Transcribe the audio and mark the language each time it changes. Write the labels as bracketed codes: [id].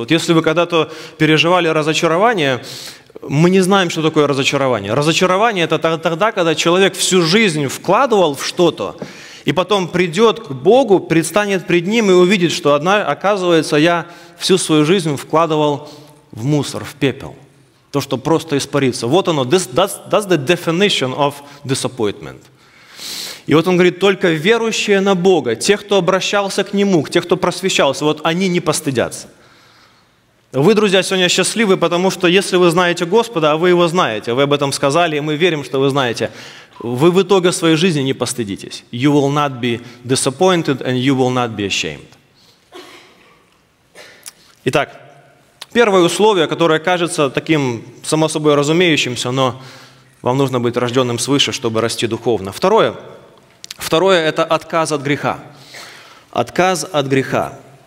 [ru] Вот если вы когда-то переживали разочарование, мы не знаем, что такое разочарование. Разочарование – это тогда, когда человек всю жизнь вкладывал в что-то, и потом придет к Богу, предстанет пред Ним и увидит, что, оказывается, я всю свою жизнь вкладывал в мусор, в пепел. То, что просто испарится. Вот оно, [en] that's the definition of disappointment. [ru] И вот он говорит, только верующие на Бога, те, кто обращался к Нему, те, кто просвещался, вот они не постыдятся. Вы, друзья, сегодня счастливы, потому что если вы знаете Господа, а вы Его знаете, вы об этом сказали, и мы верим, что вы знаете, вы в итоге своей жизни не постыдитесь. [en] You will not be disappointed and you will not be ashamed. [ru] Итак, первое условие, которое кажется таким само собой разумеющимся, но вам нужно быть рожденным свыше, чтобы расти духовно. Второе – это отказ от греха. Отказ от греха.